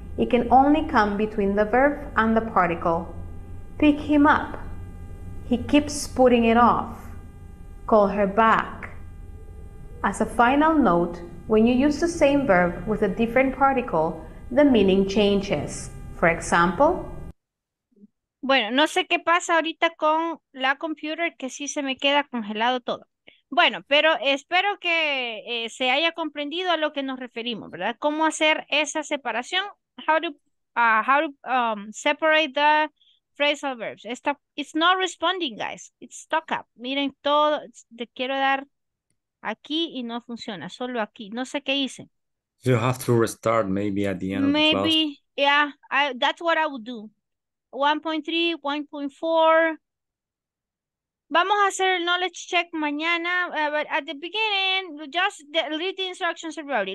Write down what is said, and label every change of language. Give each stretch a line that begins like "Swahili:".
English: It can only come between the verb and the particle. Pick him up. He keeps putting it off. Call her back. As a final note, when you use the same verb with a different particle, the meaning changes. For example,
Spanish: bueno, no sé qué pasa ahorita con la computer, que sí se me queda congelado todo. Bueno, pero espero que se haya comprendido a lo que nos referimos, ¿verdad? ¿Cómo hacer esa separación?
English: How to separate the phrasal verbs. It's not responding, guys. It's stuck up.
Spanish: Miren, todo, te quiero dar aquí y no funciona. Solo aquí. No sé qué hice.
English: You have to restart maybe at the end maybe, of the class. Yeah, that's what I would do. 1.3, 1.4.
Spanish: Vamos a hacer el knowledge check mañana.
English: But at the beginning, just read the instructions everybody.